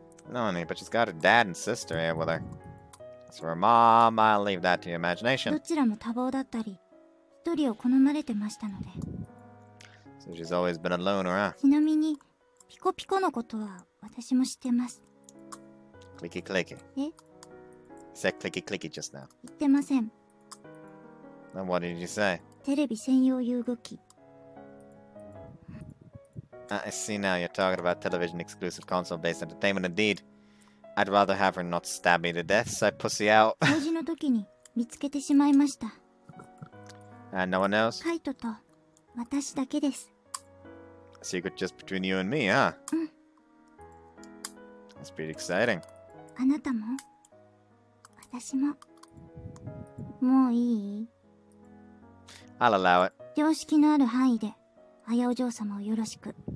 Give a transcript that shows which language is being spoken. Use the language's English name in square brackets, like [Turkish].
[English] No, honey, but she's got her dad and sister here with her. So her mom, I'll leave that to your imagination. [Japanese] どちらも多忙だったり、一人を好まれてましたので。 [English] So she's always been a loner, huh? [Japanese] ちなみに、ピコピコのことは私も知ってます。 [English] Clicky clicky. [Japanese] え? [English] You said clicky clicky just now. [Japanese] 言ってません。 [English] Then what did you say? [Japanese] テレビ専用遊具機。 [English] I see now, you're talking about television exclusive console based entertainment indeed. I'd rather have her not stab me to death, so I pussy out. [Japanese] 用事の時に見つけてしまいました。 [English] And no one else? [Japanese] カイトと私だけです。 [English] A secret just between you and me, huh? [Japanese] うん。 [English] That's pretty exciting. [Japanese] あなたも私も。もういい [English] I'll allow it. [Japanese] 常識のある範囲で。綾お嬢様をよろしく。